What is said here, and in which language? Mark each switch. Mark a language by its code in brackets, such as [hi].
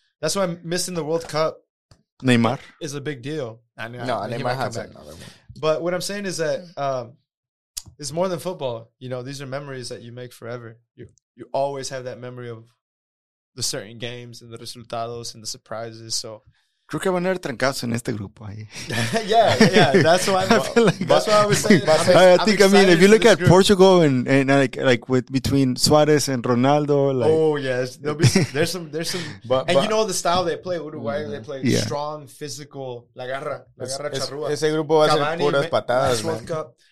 [en] That's why missing the World Cup, Neymar, is a big deal. Neymar has another one. But what I'm saying is that it's more than football. You know, these are memories that you make forever. You always have that memory of the certain games and the resultados and the surprises. So, [es] creo que van a haber trancazos en este grupo ahí. [en] Yeah, that's why. That's why I was saying. I mean, if you look at group. Portugal and like with between Suarez and Ronaldo, like oh yes, there's some. But you know the style they play. Uruguay, they play strong, physical. [es] La garra charrúa. Ese grupo va a ser puras patadas, man.